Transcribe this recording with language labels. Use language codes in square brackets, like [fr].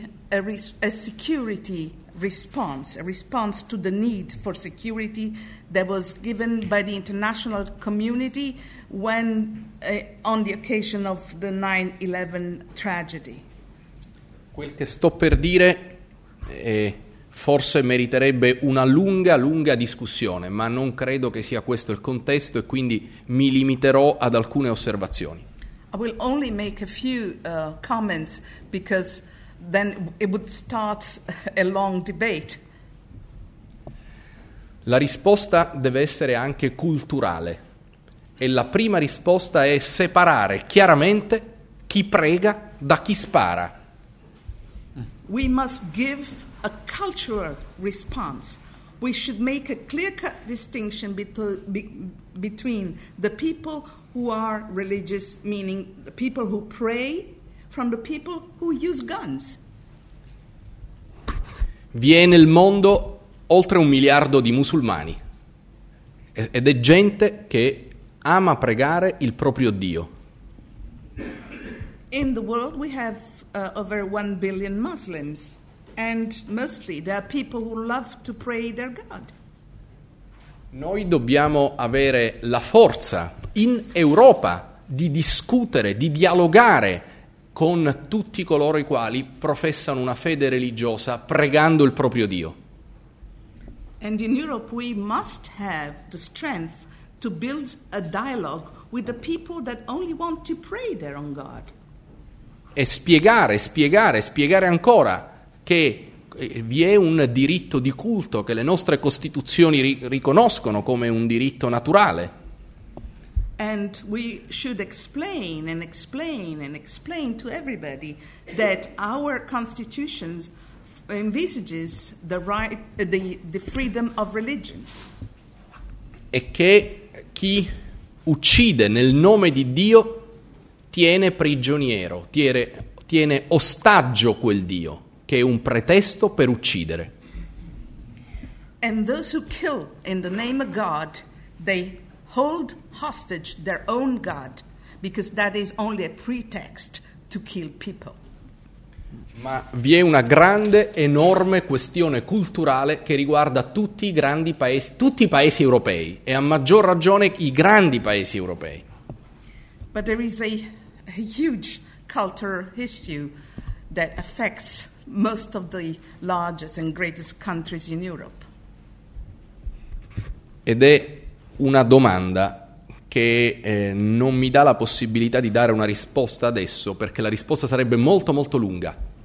[en] There is a security response, a response to the need for security that was given by the international community when on the occasion of the 9/11 tragedy. [it] Quel che sto per dire forse meriterebbe una lunga discussione, ma non credo che sia questo il contesto e quindi mi limiterò ad alcune osservazioni. [en] I will only make a few comments because then it would start a long debate. [it] La risposta deve essere anche culturale e la prima risposta è separare chiaramente chi prega da chi spara. [en] We must give a cultural response. We should make a clear-cut distinction between the people who are religious, meaning the people who pray, from the people who use guns. [it] Vi è nel mondo oltre 1 miliardo di musulmani ed è gente che ama pregare il proprio Dio. [en] In the world we have over 1 billion Muslims, and mostly there are people who love to pray their God. [it] Noi dobbiamo avere la forza in Europa di discutere, di dialogare con tutti coloro i quali professano una fede religiosa pregando il proprio Dio. [en] And in Europe we must have the strength to build a dialogue with the people that only want to pray their own God. [it] E spiegare ancora che vi è un diritto di culto che le nostre costituzioni riconoscono come un diritto naturale. [en] And we should explain to everybody that our constitutions envisages the right, the freedom of religion. [it] E che chi uccide nel nome di Dio tiene prigioniero, tiene ostaggio quel Dio, che è un pretesto per uccidere. [en] And those who kill in the name of God, they hold hostage their own God, because that is only a pretext to kill people. [it] Ma vi è una grande, enorme questione culturale che riguarda tutti i paesi europei, e a maggior ragione i grandi paesi europei. [en] But there is a huge cultural issue that affects most of the largest and greatest countries in Europe. [it] Ed è una domanda che non mi dà la possibilità di dare una risposta adesso, perché la risposta sarebbe molto molto lunga.